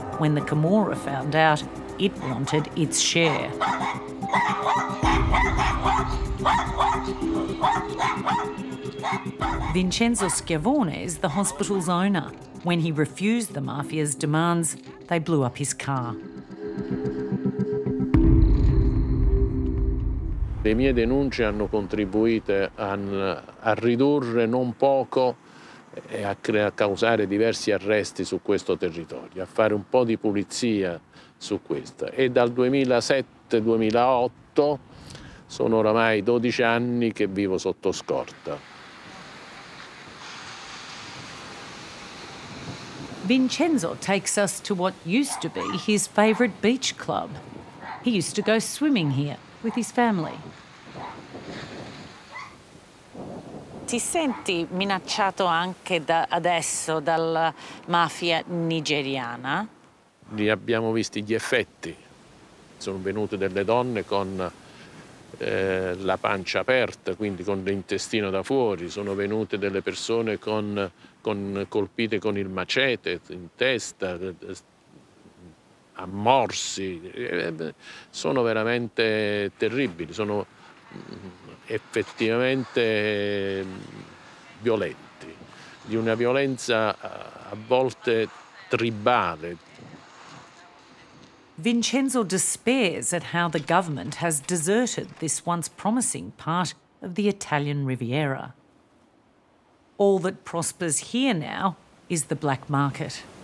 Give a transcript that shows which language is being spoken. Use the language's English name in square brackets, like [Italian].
[English] When the Camorra found out, it wanted its share. Vincenzo Schiavone is the hospital's owner. When he refused the mafia's demands, they blew up his car. [Italian] Le mie denunce hanno contribuito a ridurre non poco e a causare diversi arresti su questo territorio, a fare un po' di pulizia su questo. E dal 2007-2008 sono oramai 12 anni che vivo sotto scorta. [English] Vincenzo takes us to what used to be his favorite beach club. He used to go swimming here with his family. [Italian] Ti senti minacciato anche adesso dalla mafia nigeriana? Li abbiamo visti gli effetti. Sono venute delle donne con la pancia aperta, quindi con l'intestino da fuori. Sono venute delle persone colpite con il machete in testa, a morsi. Sono veramente terribili, sono effettivamente violenti, di una violenza a volte tribale. [English] Vincenzo despairs at how the government has deserted this once promising part of the Italian Riviera. All that prospers here now is the black market.